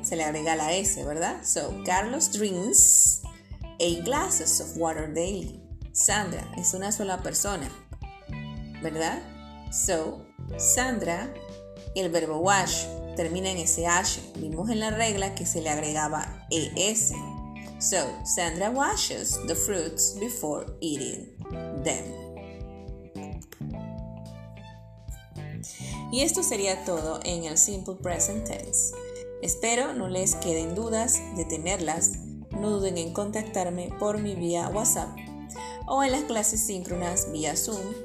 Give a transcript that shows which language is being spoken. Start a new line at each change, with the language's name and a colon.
Spanish: Se le agrega la S, ¿verdad?
English: So, Carlos drinks 8 glasses of water daily.
Spanish: Sandra, es una sola persona, ¿verdad? So, Sandra, el verbo wash termina en SH. Vimos en la regla que se le agregaba ES.
English: So, Sandra washes the fruits before eating them.
Spanish: Y esto sería todo en el Simple Present Tense. Espero no les queden dudas de tenerlas. No duden en contactarme por mi vía WhatsApp o en las clases síncronas vía Zoom.